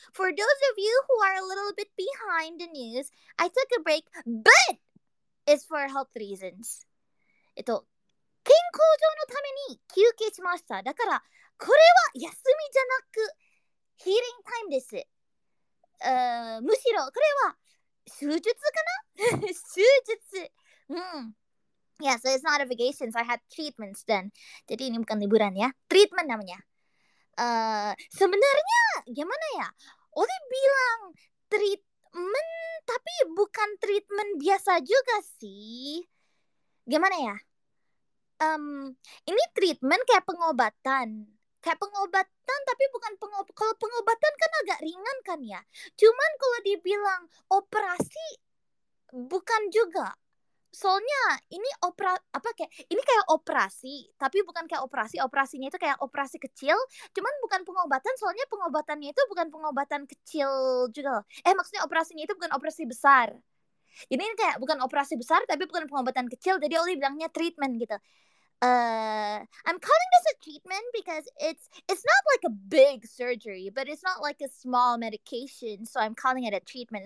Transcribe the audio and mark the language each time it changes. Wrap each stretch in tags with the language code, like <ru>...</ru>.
<en>For those of you who are a little bit behind the news, I took a break, but it's for health reasons.</en> <ja>健康上のために休憩しました。だから、これは休みじゃなく、ヒーリングタイムです。むしろ、これは、手術かな手術。うん。</ja> <en>Yeah, so it's not a vacation, so I had treatments then.</en> <id>Jadi ini bukan liburan ya. Treatment namanya. Sebenarnya, gimana ya? Oli bilang treatment, tapi bukan treatment biasa juga sih. Gimana ya? Ini treatment kayak pengobatan tapi bukan kalau pengobatan kan agak ringan kan ya. Cuman kalau dibilang operasi bukan juga. Soalnya ini operasi tapi bukan kayak operasi. Operasinya itu kayak operasi kecil, cuman bukan pengobatan. Soalnya pengobatannya itu bukan pengobatan kecil juga. Maksudnya operasinya itu bukan operasi besar. Jadi ini kayak bukan operasi besar tapi bukan pengobatan kecil. Jadi Oli bilangnya treatment gitu.</id> <en>I'm calling this a treatment because it's not like a big surgery, but it's not like a small medication, so I'm calling it a treatment.</en>